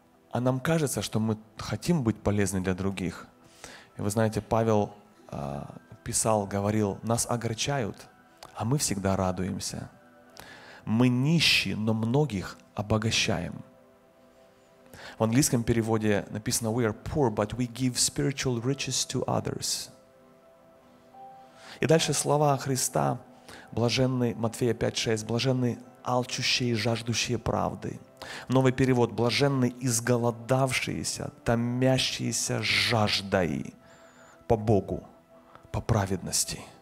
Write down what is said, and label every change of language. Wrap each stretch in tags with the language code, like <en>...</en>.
<ru>А нам кажется, что мы хотим быть полезны для других. И вы знаете, Павел писал, говорил, нас огорчают, а мы всегда радуемся. Мы нищие, но многих обогащаем. В английском переводе написано,</ru> <en>we are poor, but we give spiritual riches to others.</en> <ru>И дальше слова Христа, блаженный, Матфея 5:6, блаженный, алчущие и жаждущие правды. Новый перевод, блаженный, изголодавшиеся, томящиеся жаждой по Богу, по праведности.</ru>